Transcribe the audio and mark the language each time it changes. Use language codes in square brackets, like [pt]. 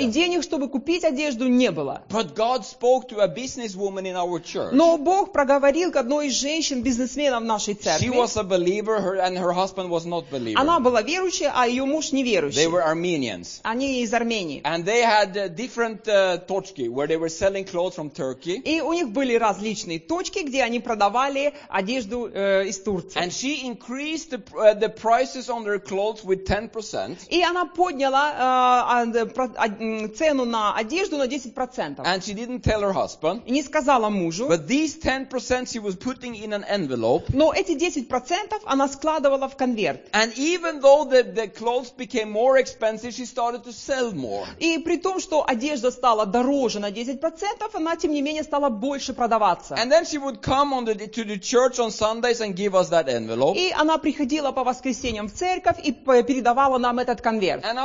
[ru] И денег, чтобы купить одежду, не было. [en] But God spoke to a businesswoman in our church. [ru] Но Бог проговорил к одной из женщин, бизнесменов в нашей церкви. [en] She was a believer, and her husband was not believer. [ru] Она была верующая, а ее муж неверующий. [en] They were Armenians. [ru] Они из Армении. [en] And they had different точки, where they were selling clothes from Turkey. [ru] И у них были различные точки, где они продавали одежду из Турции. [en] And she increased the prices on their clothes with 10%. [ru] И она подняла цену на одежду на 10%. [en] And she didn't tell her husband. [ru] И не сказала мужу. [en] But these 10% she was putting in an envelope. [ru] Но эти 10% она складывала в конверт. [en] And even though the clothes became more expensive, she started to sell more. [ru] И при том, что одежда стала дороже на 10%, она тем не менее стала больше продаваться. [en] And then she would come on to the church on Sundays and give us that envelope. [ru] И она приходила по воскресеньям в церковь и передавала нам этот конверт.